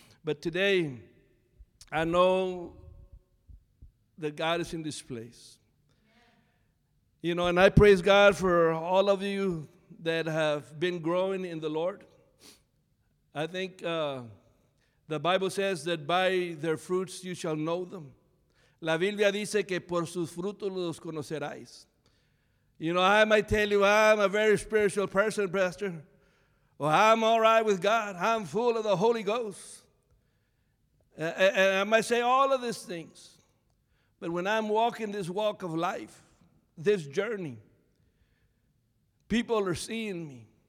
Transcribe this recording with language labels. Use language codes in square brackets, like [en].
[en] But today, I know that God is in this place. You know, and I praise God for all of you that have been growing in the Lord. I think the Bible says that by their fruits you shall know them. [es] La Biblia dice que por sus frutos los conoceráis. [en] You know, I might tell you, I'm a very spiritual person, Pastor. Well, I'm all right with God. I'm full of the Holy Ghost. And I might say all of these things. But when I'm walking this walk of life, this journey, people are seeing me.